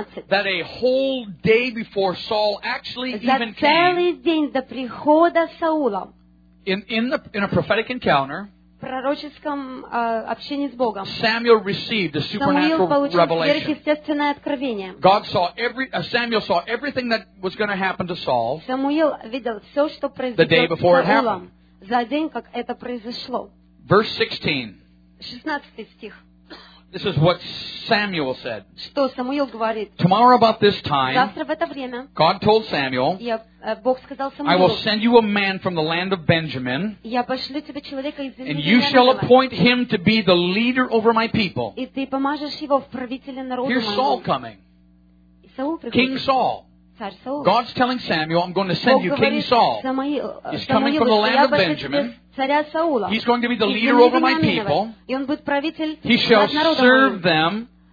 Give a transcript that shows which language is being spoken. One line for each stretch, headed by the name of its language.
English: that a whole day before Saul actually even came.
Russian: За целый день до прихода Саула.
English: In a prophetic encounter.
Russian: Пророческом общении с Богом.
English: Samuel received a supernatural revelation.
Russian: Самуил получил сверхъестественное откровение.
English: God saw every. Samuel saw everything that was going to happen to Saul.
Russian: Самуил видел все, что произойдет.
English: The day before it happened.
Russian: За день, как это произошло.
English: Verse 16.
Russian: 16 стих.
English: This is what Samuel said.
Russian: Что Самуил говорит?
English: Tomorrow about this time.
Russian: Завтра в это время.
English: God told Samuel.
Russian: Я Бог сказал Самуилу.
English: I will send you a man from the land of Benjamin.
Russian: Я пошлю тебе человека из земли Бенджамина.
English: And you shall appoint him to be the leader over my people.
Russian: И ты помажешь его в правителя народа моего.
English: Here's Saul coming.
Russian: Саул приходит.
English: King Saul.
Russian: Царь Саул.
English: God's telling Samuel, I'm going to send you King Saul.
Russian: Бог говорит Самуилу.
English: He's coming from the land of Benjamin. He's going to be the leader over my people. He shall serve them.